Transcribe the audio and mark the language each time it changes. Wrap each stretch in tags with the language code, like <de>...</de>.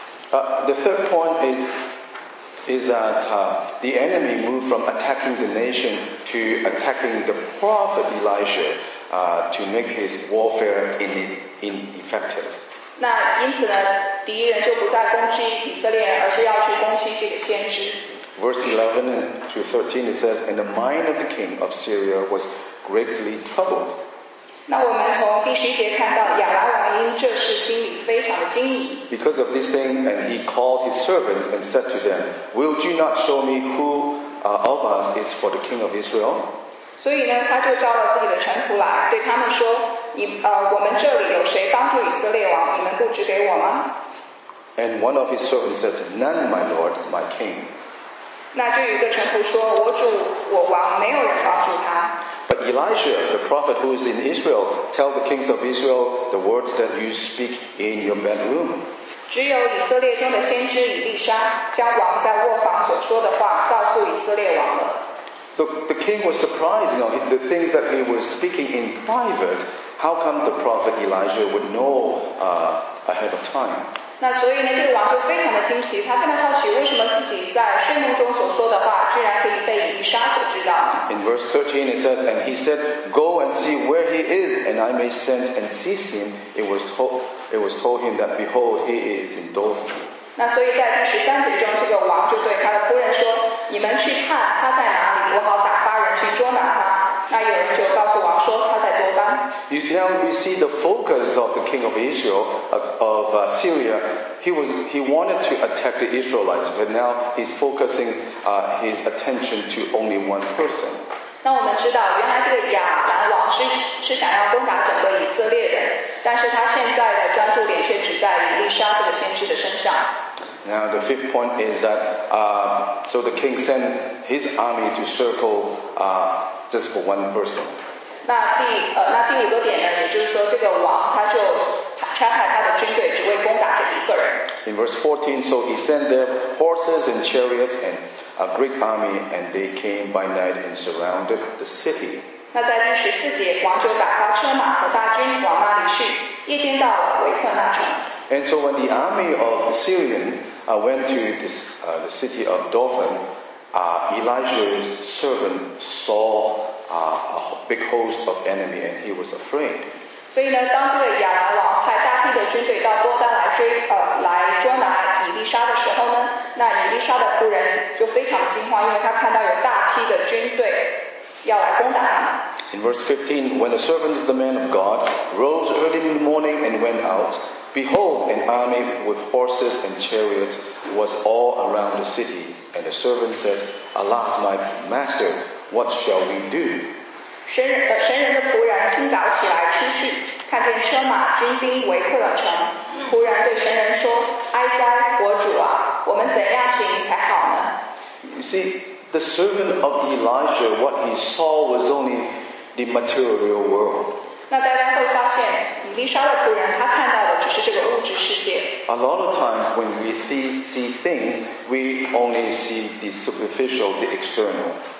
<en>The third point is that the enemy moved from attacking the nation to attacking the prophet Elijah to make his warfare ineffective.</en> <zh>那因此呢，敌人就不再攻击以色列，而是要去攻击这个先知。</zh> <en>Verse 11 to 13 it says, And the mind of the king of Syria was greatly troubled.</en> <zh>那我们从第十节看到亚兰王因这事心里非常的惊疑。</zh> <en>Because of this thing, and he called his servants and said to them, Will you not show me who of us is for the king of Israel?</en> <zh>所以呢，他就召了自己的臣仆来，对他们说，我们这里有谁帮助以色列王？你们不指给我吗？</zh> <en>And one of his servants said, "None, my lord, my king."</en> <zh>那就有一个臣仆说，我主，我王，没有人帮助他。</zh> <en>But Elisha, the prophet who is in Israel, tell the kings of Israel the words that you speak in your bedroom.</en> <zh>只有以色列中的先知以利沙将王在卧房所说的话告诉以色列王了。</zh> <en>So the king was surprised, you know, the things that he was speaking in private, how come the prophet Elijah would know ahead of time?</en> <zh>那所以呢，这个王就非常的惊奇，他非常好奇为什么自己在睡梦中所说的话居然可以被以利沙所知道。</zh> <en>In verse 13 it says, and he said, go and see where he is, and I may send and seize him. It was told him that, behold, he is in Dothan.</en> <zh>那所以在第十三节中，这个王就对他的仆人说，你们去看他在哪里，我好打发人去捉拿他。那有人就告诉王说他在多班。</zh> <en>Now we see the focus of the king of Israel, of Syria. He wanted to attack the Israelites, but now he's focusing his attention to only one person.</en> <zh>那我们知道，原来这个亚兰王 是想要攻打整个以色列人，但是他现在的专注点却只在以利沙这个先知的身上。</zh> <en>Now the fifth point is that, so the king sent his army to circle just for one person.</en> <zh>那第五个点呢，也就是说这个王他就差派他的军队只为攻打这一个人。</zh> <en>In verse 14, so he sent their horses and chariots and a great army, and they came by night and surrounded the city.</en> <zh>那在第十四节，王就打发车马和大军往那里去，夜间到了，围困那城。</zh> <en>And so when the army of the Syrians went to this, the city of Dothan, Elijah's servant saw a big host of enemy and he was afraid.</en> <zh>所以呢，当这个亚兰王派大批的军队到多丹来捉拿以利沙的时候呢，那以利沙的仆人就非常惊慌，因为他看到有大批的军队要来攻打他。</zh> <en>In verse 15, when the servant of the man of God rose early in the morning and went out, behold, an army with horses and chariots was all around the city. And the servant said, "Alas, my master, what shall we do?"</en> <zh>神人的仆人清早起来出去，看见车马军兵围困了城。仆人对神人说，哀哉，我主啊，我们怎样行才好呢？</zh> <en>You see, the servant of Elijah, what he saw was only the material world.</en> <zh>那大家会发现以利沙的仆人他看到的只是这个物质世界。</zh> <en>A lot of times when we see things, we only see the superficial, the external.</en>